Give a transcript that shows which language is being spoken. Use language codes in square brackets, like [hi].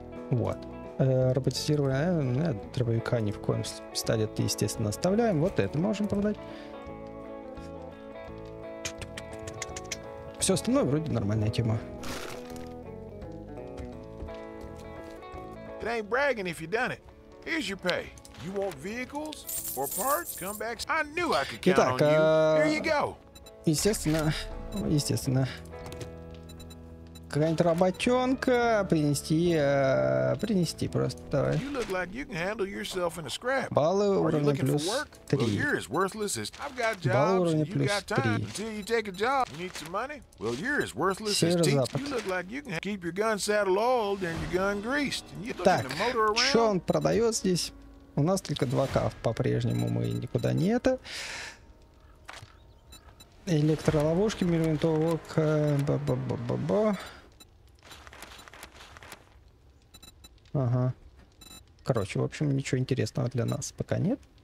[ru] Вот. Роботизированная дробовика ни в коем случае. Пистолет, естественно, оставляем. Вот это можем продать. Все остальное вроде нормальная тема. [en] Ain't bragging if you done it. Here's your pay. You want vehicles or parts? Come back. I knew I could count on you. Here you go. [ru] Естественно, естественно. какая-нибудь работенка принести, принести просто, давай. [en] You look like you can handle yourself in a scrap. [ru] Баллы уровня плюс 3. [en] Well, you're as worthless as... I've got jobs, you got time, until you take a job. You need some money? Well, you're as worthless as teeth. You look like you can keep your gun saddle oiled and your gun greased. And you're looking to motor around. [ru] Так, что он продает здесь? У нас только 2К по-прежнему, мы никуда не это. Электроловушки, мирвинтовок, ба-ба-ба-ба-ба. Ага. Короче, в общем, ничего интересного для нас пока нет.